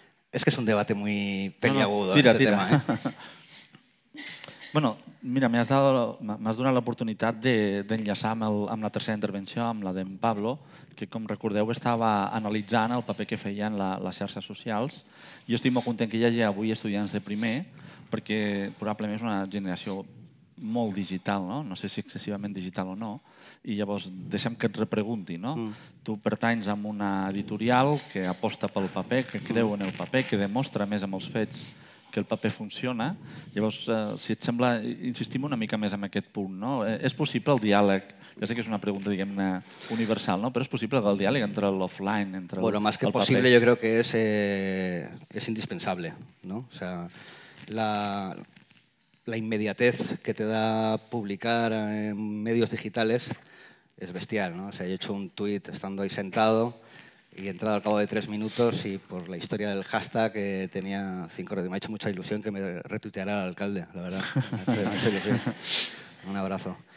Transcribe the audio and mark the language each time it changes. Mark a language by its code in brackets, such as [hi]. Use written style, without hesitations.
[es] Es que es un debate muy peliagudo, tira, este tira. Tema. [ca] Bueno, mira, m'has donat l'oportunitat d'enllaçar amb la tercera intervenció, amb la d'en Pablo, que com recordeu estava analitzant el paper que feien les xarxes socials. Jo estic molt content que hi hagi avui estudiants de primer, perquè probablement és una generació molt digital, no? No sé si excessivament digital o no, i llavors deixem que et repregunti, no? Tu pertanys a una editorial que aposta pel paper, que creu en el paper, que demostra més amb els fets que el paper funciona. Llavors, si et sembla, insistim una mica més en aquest punt, no? És possible el diàleg? Ja sé que és una pregunta, diguem-ne, universal, no? Però és possible el diàleg entre l'offline, entre el paper? [es] Bueno, más que posible, yo creo que es indispensable, ¿no? O sea, la inmediatez que te da publicar en medios digitales es bestial, ¿no? O sea, yo he hecho un tuit estando ahí sentado y he entrado al cabo de 3 minutos y por la historia del hashtag que tenía 5 horas. Me ha hecho mucha ilusión que me retuiteara el alcalde, la verdad. Me ha hecho ilusión. Un abrazo.